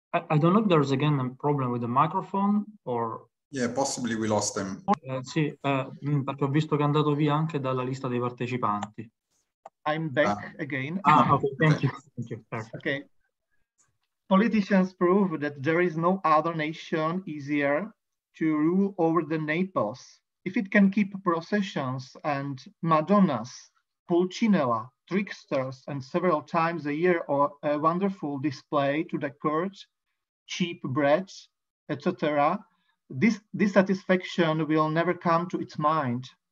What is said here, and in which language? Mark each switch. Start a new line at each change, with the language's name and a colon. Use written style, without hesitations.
English: I don't know if there's again a problem with the microphone or... Yeah, possibly we lost them.
Italian: Sì, perché ho visto che è andato via anche dalla lista dei partecipanti.
English: I'm back again. Okay, thank you. Politicians prove that there is no other nation easier to rule over than Naples. If it can keep processions and Madonnas, Pulcinella, tricksters, and several times a year or a wonderful display to the court, cheap bread, etc., this dissatisfaction will never come to its mind.